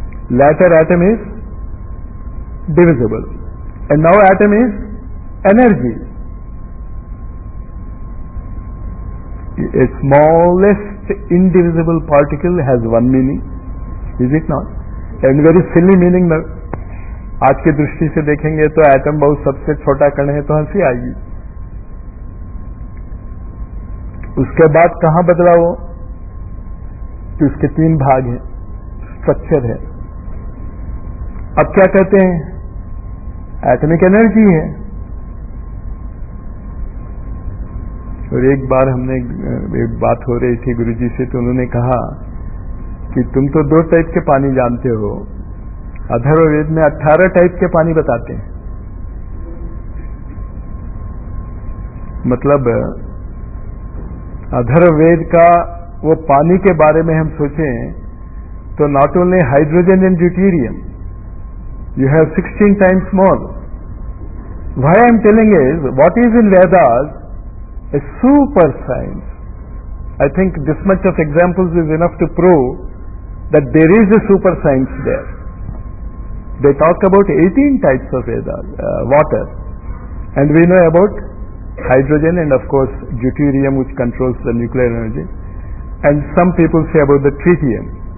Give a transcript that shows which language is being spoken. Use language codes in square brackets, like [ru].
[en] Later, atom is divisible. And now atom is energy. A smallest indivisible particle has one meaning, is it not? And very silly meaning. [hi] आज की दृष्टि से देखेंगे तो atom बहुत सबसे छोटा कण है तो हंसी आएगी. उसके बाद कहां बदला वो कि उसके तीन भाग हैं, स्ट्रक्चर है. अब क्या कहते हैं? एटमिक एनर्जी है. और एक बार हमने एक बात हो रही थी गुरुजी से, तो उन्होंने कहा कि तुम तो दो टाइप के पानी जानते हो, अथर्ववेद में 18 टाइप के पानी बताते हैं. मतलब अथर्ववेद का वो पानी के बारे में हम सोचें तो [en] Not only hydrogen and deuterium, you have 16 times more. Why I am telling is what is in Vedas a super science. I think this much of examples is enough to prove that there is a super science there. They talk about 18 types of water, and we know about hydrogen and of course deuterium, which controls the nuclear energy, and some people say about the tritium.